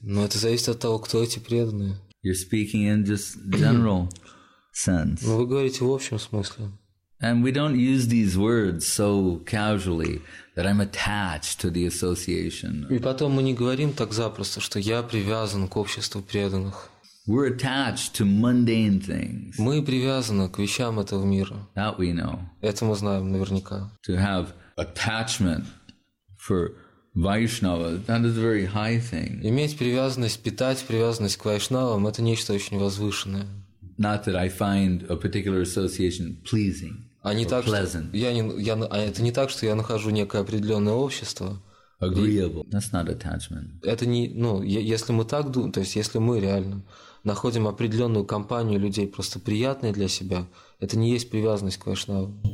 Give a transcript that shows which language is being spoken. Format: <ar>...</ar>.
<ru>Но это зависит от того, кто эти преданные.</ru> <en>You're speaking in just general sense.</en> <ru>Но вы говорите в общем смысле.</ru> <en>And we don't use these words so casually that I'm attached to the association.</en> <ru>И потом мы не говорим так запросто, что я привязан к обществу преданных.</ru> <en>We're attached to mundane things.</en> <ru>Мы привязаны к вещам этого мира.</ru> <en>That we know.</en> <ru>Это мы знаем наверняка.</ru> <en>To have attachment for Vaishnava, that is a very high thing.</en> <ru>Иметь привязанность, питать привязанность к вайшнавам – это нечто очень возвышенное.</ru> <en>Not that I find a particular association pleasing or pleasant.</en> <ru>Это не так, что я нахожу некое определенное общество.</ru> <en>Agreeable. That's not attachment.</en> <ru>Это не, ну, если мы так думаем, то есть если мы реально находим определенную компанию людей просто приятной для себя, это не есть привязанность к вайшнаву.</ru>